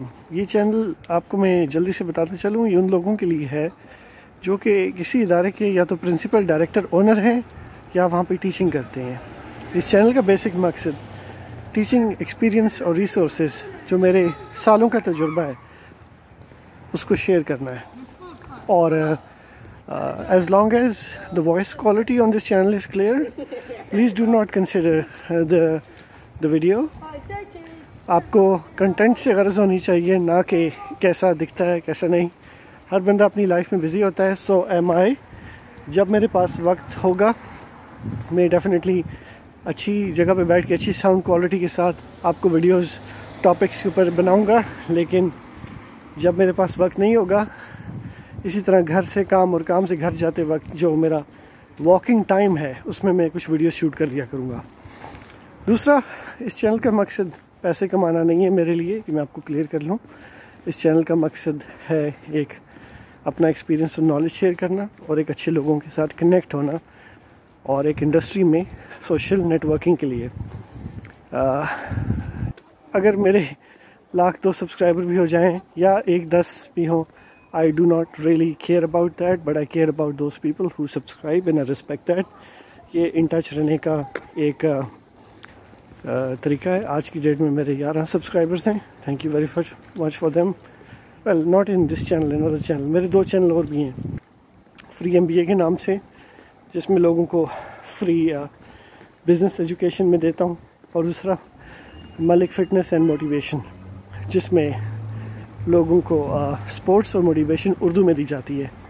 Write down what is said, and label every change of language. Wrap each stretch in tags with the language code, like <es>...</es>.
<ur>یہ چینل آپ کو میں جلدی سے بتاتا چلوں، یہ ان لوگوں کے لیے ہے جو کہ کسی ادارے کے یا تو پرنسپل ڈائریکٹر اونر ہیں یا وہاں پہ ٹیچنگ کرتے ہیں. اس چینل کا بیسک مقصد ٹیچنگ ایکسپیرینس اور ریسورسز جو میرے سالوں کا تجربہ ہے اس کو شیئر کرنا ہے. اور</ur> <en>as long as the voice quality on this channel is clear, please do not consider the video.</en> <ur>آپ کو کنٹینٹ سے غرض ہونی چاہیے، نہ کہ کیسا دکھتا ہے کیسا نہیں. ہر بندہ اپنی لائف میں بزی ہوتا ہے،</ur> <en>So am I.</en> <ur>جب میرے پاس وقت ہوگا میں ڈیفینیٹلی اچھی جگہ پہ بیٹھ کے اچھی ساؤنڈ کوالٹی کے ساتھ آپ کو ویڈیوز ٹاپکس کے اوپر بناؤں گا، لیکن جب میرے پاس وقت نہیں ہوگا اسی طرح گھر سے کام اور کام سے گھر جاتے وقت جو میرا واکنگ ٹائم ہے اس میں میں کچھ ویڈیو شوٹ کر لیا کروں گا. دوسرا، اس چینل کا مقصد پیسے کمانا نہیں ہے میرے لیے، کہ میں آپ کو کلیئر کر لوں. اس چینل کا مقصد ہے ایک اپنا ایکسپیرینس اور نالج شیئر کرنا، اور ایک اچھے لوگوں کے ساتھ کنیکٹ ہونا، اور ایک انڈسٹری میں سوشل نیٹ ورکنگ کے لیے. اگر میرے 1,00,000 سبسکرائبر بھی ہو جائیں یا 1,10,000 بھی ہوں،</ur> <en>I do not really care about that, but I care about those people who subscribe and I respect that.</en> <ur>یہ ان ٹچ رہنے کا ایک طریقہ ہے. آج کی ڈیٹ میں میرے 11 سبسکرائبرز ہیں،</ur> <en>Thank you very much for them. Well, not in this channel, in other channel.</en> <ur>میرے 2 چینل اور بھی ہیں، فری ایم بی اے کے نام سے، جس میں لوگوں کو فری بزنس ایجوکیشن میں دیتا ہوں، اور دوسرا ملک فٹنس اینڈ موٹیویشن، جس میں لوگوں کو سپورٹس اور موٹیویشن اردو میں دی جاتی ہے.</ur>